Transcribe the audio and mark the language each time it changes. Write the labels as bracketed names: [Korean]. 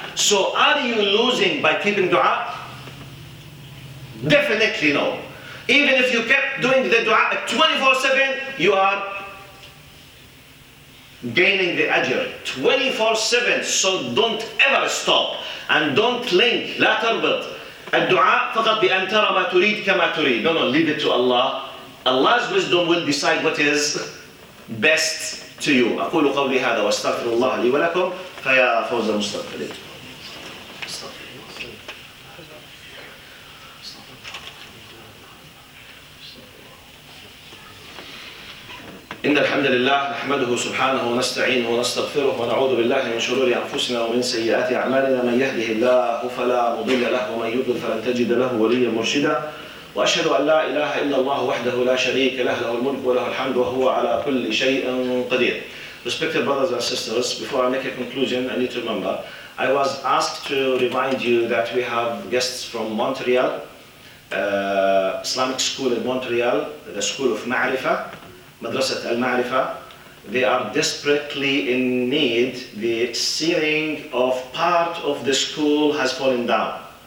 [English] So are you losing by keeping dua? Definitely no. Even if you kept doing the dua 24/7, you are gaining the ajr 24/7. So don't ever stop, and don't link, [Arabic] لا تربط الدعاء فقط بأن ترى ما تريد كما تريد. [English] No, leave it to Allah. Allah's wisdom will decide what is best to you. [Arabic] أقول قولي هذا واستغفر الله لي ولكم فيا فوز المستغفرين. إن الحمد لله نحمده سبحانه ونستعينه ونستغفره ونعوذ بالله من شرور أنفسنا ومن سيئات أعمالنا من يهده الله فلا مضل له ومن يضلل فلن تجد له وليا مرشدا وأشهد أن لا إله إلا الله وحده لا شريك له له الملك وله الحمد وهو على كل شيء قدير. [English] Respected brothers and sisters, before I make a conclusion, I need to remember, I was asked to remind you that we have guests from Montreal, Islamic school in Montreal, the school of Ma'rifa. [Arabic] مدرسة المعرفة. [English] They are desperately in need. The ceiling of part of the school has fallen down.